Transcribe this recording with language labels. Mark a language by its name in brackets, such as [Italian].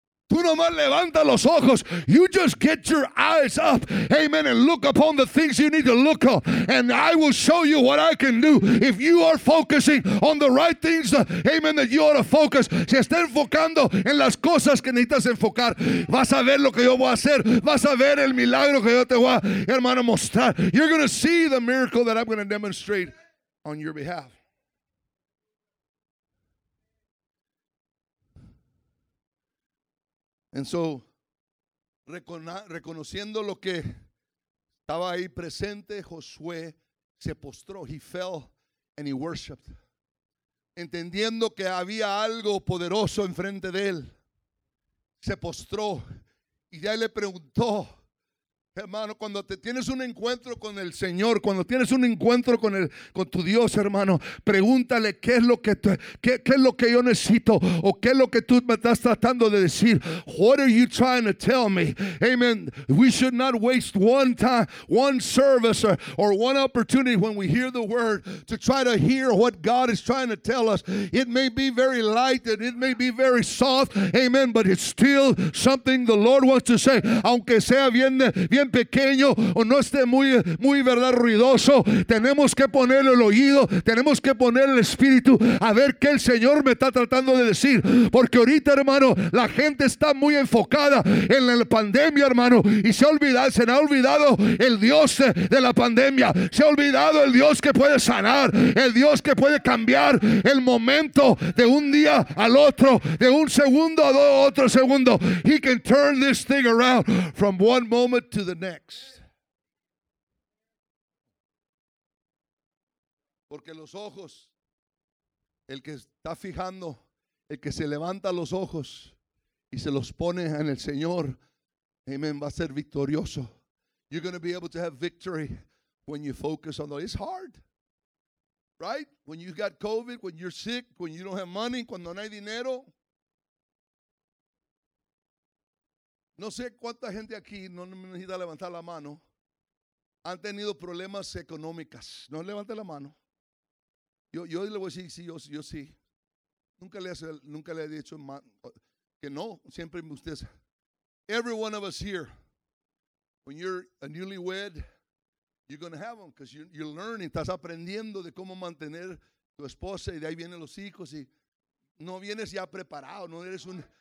[Spanish] Tú nomás levanta los ojos. [English] You just get your eyes up, amen, and look upon the things you need to look on, and I will show you what I can do. If you are focusing on the right things, amen, that you ought to focus. [Spanish] Si está enfocando en las cosas que necesitas enfocar, vas a ver lo que yo voy a hacer. Vas a ver el milagro que yo te voy a, hermano, mostrar. [English] You're going to see the miracle that I'm going to demonstrate on your behalf. And so, [Spanish] reconociendo lo que estaba ahí presente, Josué se postró. [English] He fell and he worshipped. [Spanish] Entendiendo que había algo poderoso enfrente de él, se postró. Y ya le preguntó, hermano, cuando te tienes un encuentro con el Señor, cuando tienes un encuentro con tu Dios, hermano, pregúntale qué es lo que yo necesito o qué es lo que tú me estás tratando de decir. [English] What are you trying to tell me? Amen. We should not waste one time, one service or one opportunity when we hear the word to try to hear what God is trying to tell us. It may be very light and it may be very soft, amen, but it's still something the Lord wants to say. [Spanish] Aunque sea bien pequeño o no esté muy verdad ruidoso, tenemos que poner el oído, tenemos que poner el espíritu a ver qué el Señor me está tratando de decir, porque ahorita, hermano, la gente está muy enfocada en la pandemia, hermano, y se ha olvidado el Dios de la pandemia, se ha olvidado el Dios que puede sanar, el Dios que puede cambiar el momento de un día al otro, de un segundo a otro segundo. [English] He can turn this thing around from one moment to the next. [Spanish] Porque los ojos, el que está fijando, el que se levanta los ojos y se los pone en el Señor, amen, va a ser victorioso. [English] You're going to be able to have victory when you focus on the Lord. It's hard, right? When you've got COVID, when you're sick, when you don't have money, [Spanish] cuando no hay dinero. No sé cuánta gente aquí, no necesita levantar la mano, han tenido problemas económicos. No levante la mano. Yo le voy a decir, sí, yo sí. Nunca le he dicho que no, siempre usted. [English] Every one of us here, when you're a newlywed, you're going to have them because you're learning. [Spanish] Estás aprendiendo de cómo mantener tu esposa y de ahí vienen los hijos. Y no vienes ya preparado, no eres un...